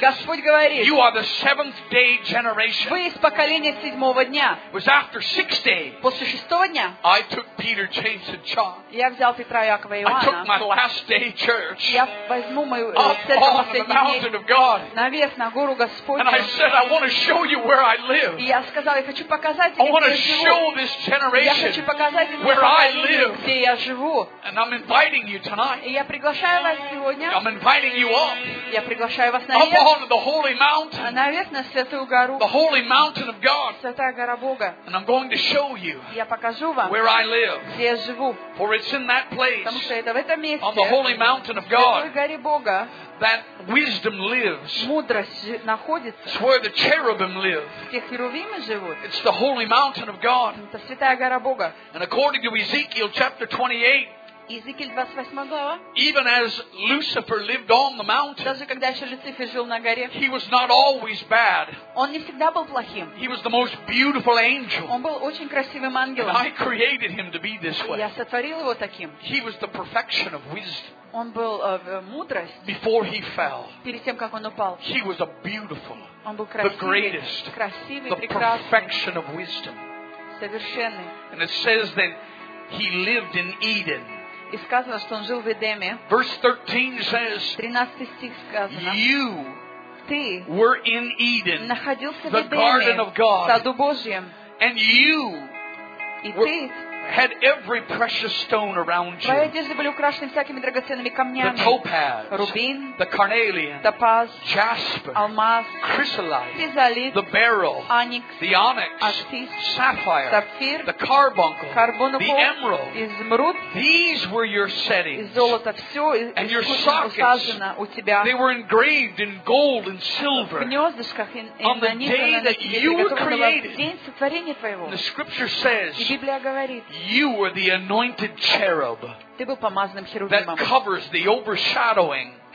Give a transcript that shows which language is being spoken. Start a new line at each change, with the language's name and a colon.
Russian: Господь говорит.
English: You are the seventh day generation.
Russian: Вы из поколения седьмого дня.
English: Was after six days.
Russian: После шестого дня.
English: I took Peter, James, and John.
Russian: Я взял Петра, Якова и Иоанна.
English: I took my last day church.
Russian: Я возьму мою церковь последние дни. Навес на гору Господню.
English: And I said, I want to show you where I live.
Russian: И я сказал, я хочу показать.
English: I want to show this generation where I live.
Russian: Где я живу.
English: And I'm inviting you tonight.
Russian: И я приглашаю вас сегодня.
English: I'm inviting you up.
Russian: Я приглашаю вас на верх.
English: Up on the holy mountain.
Russian: Навес на святую гору.
English: The holy mountain of God.
Russian: Святая гора Бога.
English: And I'm going to show you.
Russian: Я покажу вам.
English: Where I live.
Russian: Где я живу.
English: For it's in that place.
Russian: Потому что это в этом месте.
English: On the holy mountain of God.
Russian: Святой горе Бога.
English: That wisdom lives.
Russian: Мудрость находится.
English: It's where the cherubim live.
Russian: Где херувимы живут.
English: It's the holy mountain of God.
Russian: Это святая гора Бога.
English: And according to Ezekiel chapter 28.
Russian: Ezekiel 28 глава.
English: Even as Lucifer lived on the mountain.
Russian: Даже когда еще Люцифер жил на горе.
English: He was not always bad.
Russian: Он не всегда был плохим.
English: He was the most beautiful angel.
Russian: Он был очень красивым ангелом.
English: And I created him to be this way.
Russian: Я сотворил его таким.
English: He was the perfection of wisdom.
Russian: Он был мудрость.
English: Before he fell.
Russian: Перед тем как он упал.
English: He was a beautiful.
Russian: Он был красивый.
English: The greatest.
Russian: Красивый,
English: the
Russian: прекрасный.
English: The perfection of wisdom.
Russian: Совершенный.
English: And it says that he lived in Eden.
Russian: И сказано, что он жил в Эдеме.
English: Verse 13 says.
Russian: 13 стих сказано.
English: You.
Russian: Ты.
English: Were in Eden.
Russian: Находился в
English: Эдеме. The garden of God.
Russian: В саду Божьем.
English: And you.
Russian: И ты.
English: Had every precious stone around you.
Russian: Твои одежды были украшены всякими драгоценными камнями.
English: The topaz.
Russian: Рубин.
English: The carnelian.
Russian: Топаз.
English: Jasper.
Russian: Алмаз.
English: Chrysolite.
Russian: Физалит.
English: The beryl.
Russian: Оникс.
English: The onyx.
Russian: Аметист.
English: Sapphire.
Russian: Сапфир.
English: The carbuncle.
Russian: Карбункул.
English: The emerald.
Russian: Изумруд.
English: These were your settings.
Russian: Из золота все
English: and your sockets. They were engraved in gold and silver.
Russian: В гнездышках и на них.
English: On the day that you were created.
Russian: День сотворения твоего.
English: The scripture says.
Russian: И Библия говорит.
English: You were the anointed cherub that covers the overshadowing.